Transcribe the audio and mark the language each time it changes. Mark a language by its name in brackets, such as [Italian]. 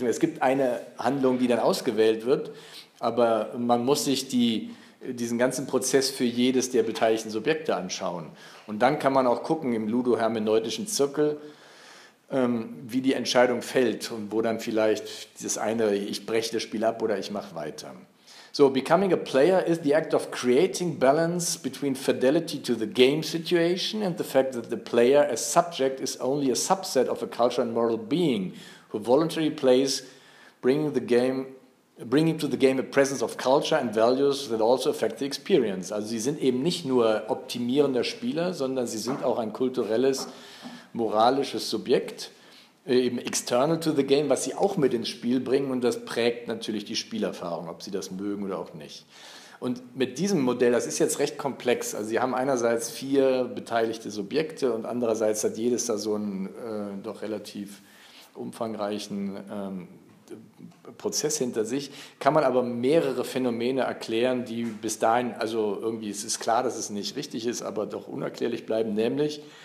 [German] Es gibt eine Handlung, die dann ausgewählt wird, aber man muss sich diesen ganzen Prozess für jedes der beteiligten Subjekte anschauen. Und dann kann man auch gucken im ludo-hermeneutischen Zirkel, wie die Entscheidung fällt und wo dann vielleicht das eine, ich breche das Spiel ab oder ich mache weiter. [English] So, becoming a player is the act of creating balance between fidelity to the game situation and the fact that the player as subject is only a subset of a cultural and moral being who voluntarily plays, bringing to the game a presence of culture and values that also affect the experience. [German] Also sie sind eben nicht nur optimierender Spieler, sondern sie sind auch ein kulturelles, moralisches Subjekt, eben [English] external to the game, [German] was sie auch mit ins Spiel bringen und das prägt natürlich die Spielerfahrung, ob sie das mögen oder auch nicht. Und mit diesem Modell, das ist jetzt recht komplex, also sie haben einerseits vier beteiligte Subjekte und andererseits hat jedes da so einen doch relativ umfangreichen Prozess hinter sich, kann man aber mehrere Phänomene erklären, die bis dahin, also irgendwie, es ist klar, dass es nicht richtig ist, aber doch unerklärlich bleiben, nämlich